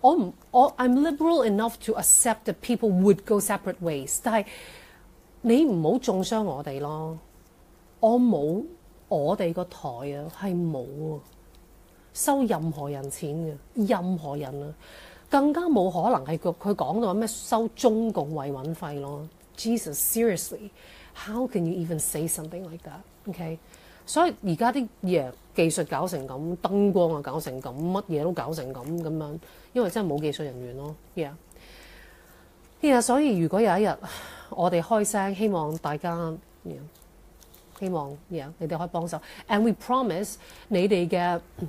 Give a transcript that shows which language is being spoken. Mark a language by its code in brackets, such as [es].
[en] I'm liberal enough to accept that people would go separate ways， [yue] 但係你唔好重傷我哋咯。我冇我哋個台啊，係冇啊。收任何人錢嘅，任何人啊，更加冇可能係佢講到咩收中共慰問費咯。 [en] Jesus，seriously，how can you even say something like that？OK，okay？ [yue] 所以而家啲嘢技術搞成咁，燈光啊搞成咁，乜嘢都搞成咁樣，因為真係冇技術人員咯。所以如果有一日我哋開聲，希望大家希望你哋可以幫手， [en] and we promise [yue] 你哋嘅。